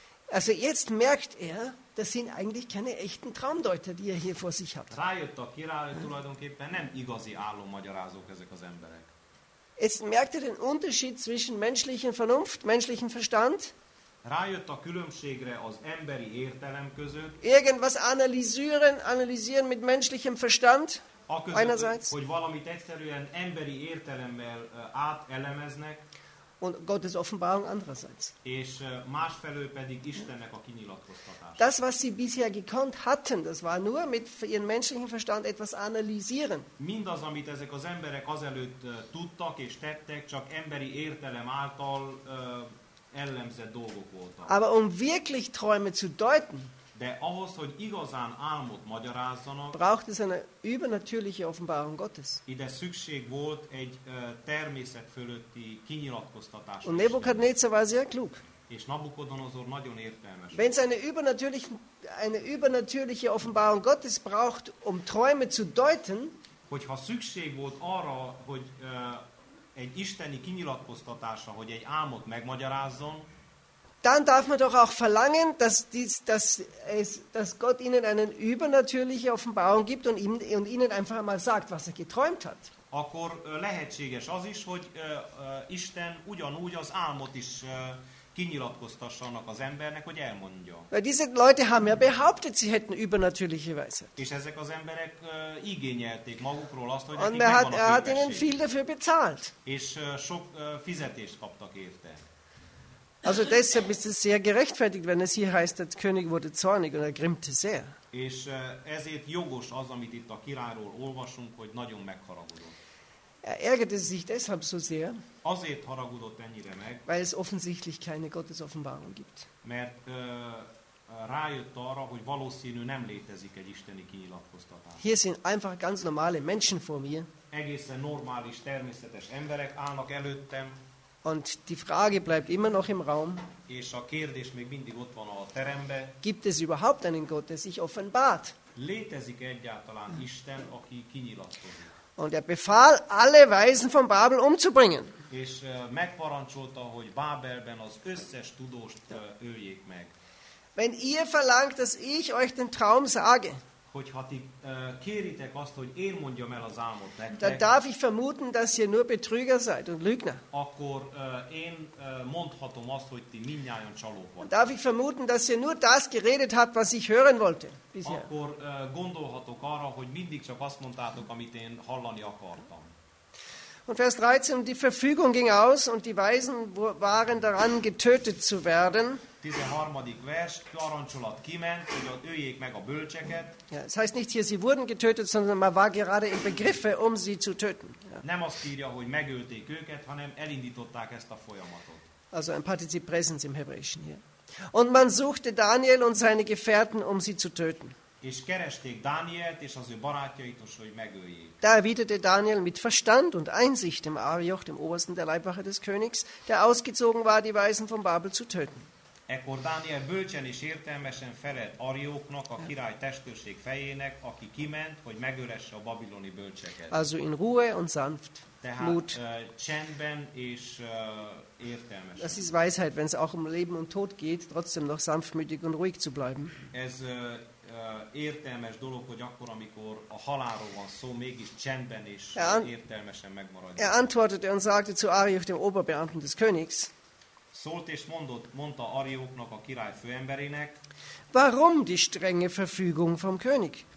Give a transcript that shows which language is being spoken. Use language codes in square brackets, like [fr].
[de] Also jetzt merkt er, das sind eigentlich keine echten Traumdeuter, die er hier vor sich hat. [hu] Rájött a király, tulajdonképpen nem igazi álommagyarázók ezek az emberek. [de] Jetzt merkt er den Unterschied zwischen menschlichen Vernunft, menschlichen Verstand. [hu] Rájött a különbségre az emberi értelem között. [de] Irgendwas analysieren mit menschlichem Verstand. [hu] Aközött, [de] einerseits, [hu] hogy valamit egyszerűen emberi értelemmel átelemeznek, [de] und Gottes Offenbarung andererseits. [hu] És másfelől pedig Istennek a kinyilatkoztatása. [de] Das, was sie bisher gekonnt hatten, das war nur mit ihrem menschlichen Verstand etwas analysieren. [hu] Mindaz, amit ezek az emberek azelőtt tudtak és tettek, csak emberi értelem által ellenzett dolgok voltak. [de] Aber um wirklich Träume zu deuten, [hu] de ahhoz, hogy igazán álmot magyarázzanak, [de] braucht es eine übernatürliche Offenbarung Gottes. [hu] Ide szükség volt egy természet fölötti kinyilatkoztatásra. [de] Und Nebukadnezar war sehr klug. [hu] És Nabukodonosor nagyon értelmes. [de] Wenn es eine übernatürliche Offenbarung Gottes braucht, um Träume zu deuten, [hu] hogyha szükség volt arra, hogy egy isteni kinyilatkoztatásra, hogy egy álmot megmagyarázzon, [de] dann darf man doch auch verlangen, dass Gott ihnen eine übernatürliche Offenbarung gibt und ihnen einfach mal sagt, was er geträumt hat. [hu] akkor lehetséges az is, hogy Isten ugyanúgy az álmot is kinyilatkoztassa annak az embernek, hogy elmondja. [de] Diese Leute haben ja behauptet, sie hätten übernatürliche Weisheit. [hu] És ezek az emberek igényelték magukról azt, hogy nekik megvan a képesség. [de] Hat ihnen viel dafür bezahlt. [hu] És sok fizetést kaptak érte. [de] Also deshalb ist es sehr gerechtfertigt, wenn es hier heißt, der König wurde zornig und er grimmte sehr. [hu] És ezért jogos az, amit itt a királyról olvasunk, hogy nagyon megharagudott. [de] Er ärgerte sich deshalb so sehr, [hu] azért haragudott ennyire meg, [de] weil es offensichtlich keine Gottesoffenbarung gibt. [hu] Mert rájött arra, hogy valószínű nem létezik egy isteni kinyilatkoztatás. [de] Hier sind einfach ganz normale Menschen vor mir. [hu] Egészen normális, természetes emberek állnak előttem. [de] Und die Frage bleibt immer noch im Raum. [hu] És a kérdés még mindig ott van a teremben. [de] Gibt es überhaupt einen Gott, der sich offenbart? [hu] Létezik egyáltalán Isten, aki kinyilatkozik? [de] Und er befahl, alle Weisen von Babel umzubringen. [hu] És megparancsolta, hogy Bábelben az összes tudóst öljék meg. [de] Wenn ihr verlangt, dass ich euch den Traum sage, [hu] hogyha ti kéritek azt, hogy én mondjam el az álmot nektek, [de] dann darf ich vermuten, dass ihr nur Betrüger seid und Lügner. [hu] Akkor én mondhatom azt, hogy ti mindnyájan csalók vagytok. [de] Darf ich vermuten, dass ihr nur das geredet habt, was ich hören wollte bisher. [hu] Akkor gondolhatok arra, hogy mindig csak azt mondtátok, amit én hallani akartam. [de] Und Vers 13, die Verfügung ging aus, und die Weisen waren daran, getötet zu werden. [hu] 13. vers, parancsolat kiment, hogy öljék meg a bölcseket. [de] Ja, das heißt nicht hier, sie wurden getötet, sondern man war gerade im Begriffe, um sie zu töten. Ja. [hu] Nem azt írja, hogy megölték őket, hanem elindították ezt a folyamatot. [de] Also ein Partizip Präsens im Hebräischen hier. Und man suchte Daniel und seine Gefährten, um sie zu töten. [hu] És keresték Dánielt és az ő barátjait, hogy megöljék. [de] Da erwiderte Daniel mit Verstand und Einsicht dem Arioch, dem Obersten der Leibwache des Königs, der ausgezogen war, die Weisen von Babel zu töten. [hu] Ekkor Dániel bölcsen és értelmesen felelt Arióknak, a király testőrség fejének, aki kiment, hogy megöresse a babiloni bölcseket. [de] Also in Ruhe und sanft. [hu] Tehát Mut. Csendben és értelmesen. [de] Das ist Weisheit, wenn es auch um Leben und Tod geht, trotzdem noch sanftmütig und ruhig zu bleiben. [hu] Ez értelmes dolog, hogy akkor, amikor a halálról van szó, mégis csendben és értelmesen megmaradjon. [de] Er antwortete und sagte zu Arioch, dem Oberbeamten des Königs. [hu] Szólt és mondta Arióknak, a király főemberének. [de] Warum die strenge Verfügung vom König?